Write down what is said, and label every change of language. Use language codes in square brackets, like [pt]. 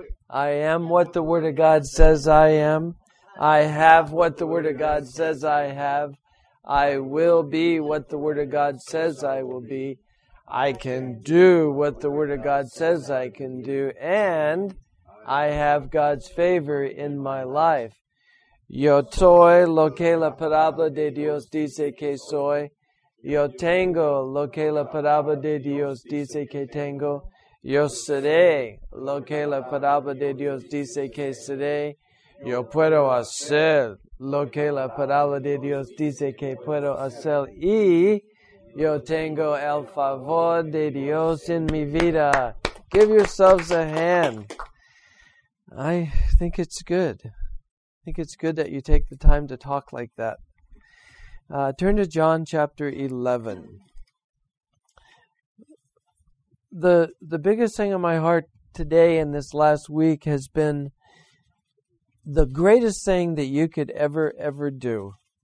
[en] I am what the Word of God says I am. I have what the Word of God says I have. I will be what the Word of God says I will be. I can do what the Word of God says I can do. And I have God's favor in my life. [es] Yo soy lo que la palabra de Dios dice que soy. Yo tengo lo que la palabra de Dios dice que tengo. Yo seré lo que la palabra de Dios dice que seré. Yo puedo hacer lo que la palabra de Dios dice que puedo hacer. Y yo tengo el favor de Dios en mi vida. [en] Give yourselves a hand. I think it's good. I think it's good that you take the time to talk like that. Turn to John chapter 11. The biggest thing in my heart today and this last week has been the greatest thing that you could ever do.